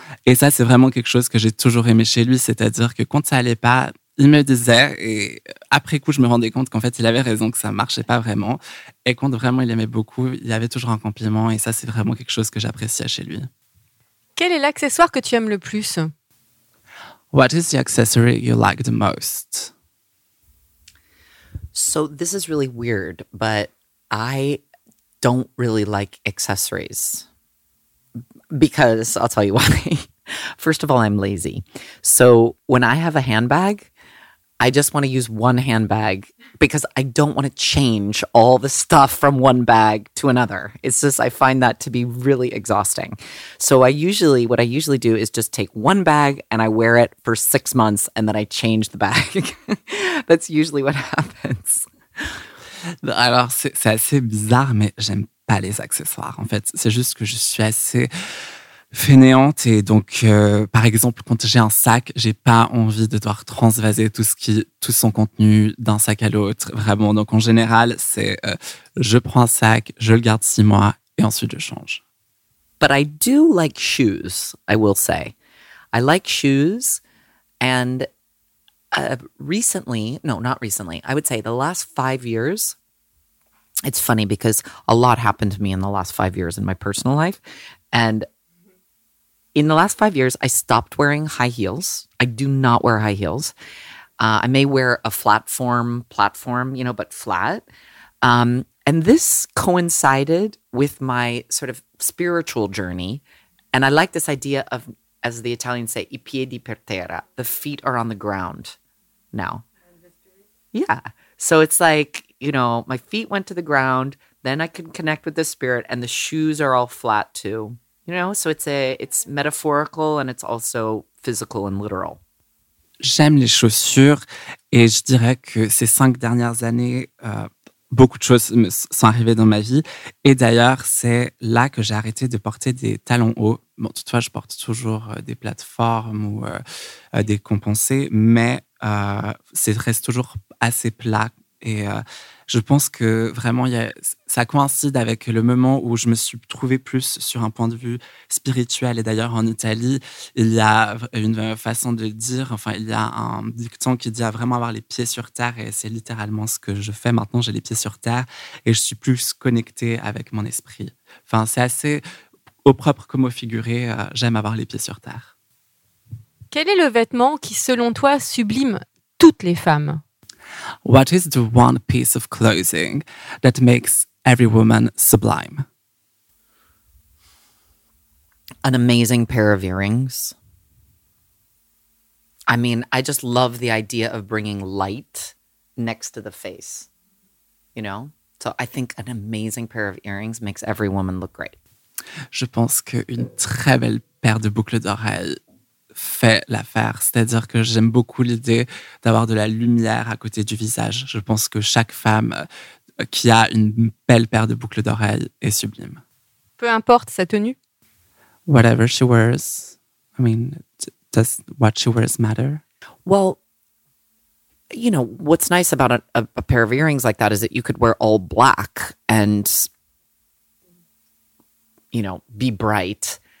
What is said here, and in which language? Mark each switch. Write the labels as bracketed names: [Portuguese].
[French] Et ça, c'est vraiment quelque chose que j'ai toujours aimé chez lui. C'est-à-dire que quand ça n'allait pas, il me disait. Et après coup, je me rendais compte qu'en fait, il avait raison, que ça ne marchait pas vraiment. Et quand vraiment il aimait beaucoup, il y avait toujours un compliment. Et ça, c'est vraiment quelque chose que j'appréciais chez lui. Quel est l'accessoire que tu aimes le plus ? [English] What is the accessory you like the most? So this is really weird, but I don't really like accessories because I'll tell you why. First of all, I'm lazy. So when I have a handbag, I just want to use one handbag because I don't want to change all the stuff from one bag to another. It's just, I find that to be really exhausting. So what I usually do is just take one bag and I wear it for 6 months and then I change the bag. That's usually what happens. [French] Alors, c'est assez bizarre, mais j'aime pas les accessoires. En fait, c'est juste que je suis assez fainéante et donc par exemple quand j'ai un sac, j'ai pas envie de devoir transvaser tout son contenu d'un sac à l'autre, vraiment. Donc en général, c'est je prends un sac, je le garde 6 mois et ensuite je change. [English] But I do like shoes, I will say. I like shoes and not recently, I would say the last 5 years. It's funny because a lot happened to me in the last 5 years in my personal life. And in the last 5 years, I stopped wearing high heels. I do not wear high heels. I may wear a platform, you know, but flat. And this coincided with my sort of spiritual journey. And I like this idea of, as the Italians say, [Italian] i piedi per terra, [English] the feet are on the ground now. Yeah. So it's like, you know, my feet went to the ground, then I can connect with the spirit, and the shoes are all flat too. You know, so it's metaphorical and it's also physical and literal. [French] J'aime les chaussures et je dirais que ces 5 dernières années, beaucoup de choses me sont arrivées dans ma vie. Et d'ailleurs, c'est là que j'ai arrêté de porter des talons hauts. Bon, toutefois, je porte toujours des plateformes ou des compensés, mais ça reste toujours assez plat. Et je pense que vraiment, ça coïncide avec le moment où je me suis trouvée plus sur un point de vue spirituel. Et d'ailleurs, en Italie, il y a une façon de dire, enfin, il y a un dicton qui dit à vraiment avoir les pieds sur terre. Et c'est littéralement ce que je fais maintenant. J'ai les pieds sur terre et je suis plus connectée avec mon esprit. Enfin, c'est assez au propre comme au figuré. J'aime avoir les pieds sur terre. Quel est le vêtement qui, selon toi, sublime toutes les femmes ? [English] What is the one piece of clothing that makes every woman sublime? An amazing pair of earrings. I mean, I just love the idea of bringing light next to the face, you know? So I think an amazing pair of earrings makes every woman look great. [French] Je pense qu'une très belle paire de boucles d'oreilles fait l'affaire. C'est-à-dire que j'aime beaucoup l'idée d'avoir de la lumière à côté du visage. Je pense que chaque femme qui a une belle paire de boucles d'oreilles est sublime. Peu importe sa tenue. [English] Whatever she wears. I mean, does what she wears matter? Well, you know, what's nice about a pair of earrings like that is that you could wear all black and, you know, be bright.